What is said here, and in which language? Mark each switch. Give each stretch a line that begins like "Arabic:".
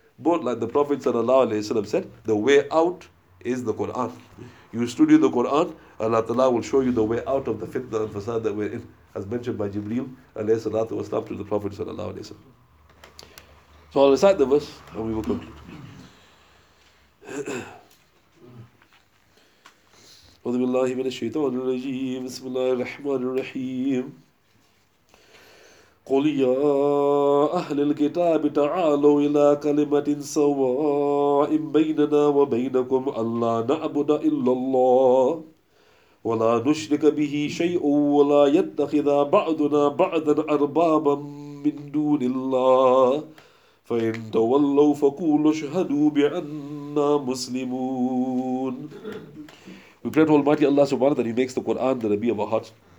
English: But like the Prophet said, the way out is the Quran. You study the Quran, Allah Ta'ala will show you the way out of the fitna and fasad that we're in, as mentioned by Jibreel alayhi salatu wasalam to the Prophet. So I'll recite the verse and we will conclude.
Arabic: أعوذ بالله من الشيطان الرجيم بسم الله الرحمن الرحيم قل يا أهل الكتاب تعالوا إلى كلمة سواء بيننا وبينكم ألا نعبد إلا الله ولا نشرك به شيء ولا يتخذ بعضنا بعضا أربابا من دون الله فإن تولوا فقولوا اشهدوا بأننا مسلمون.
English: We pray to Almighty Allah subhanahu wa ta'ala that He makes the Quran the Rabi of our hearts.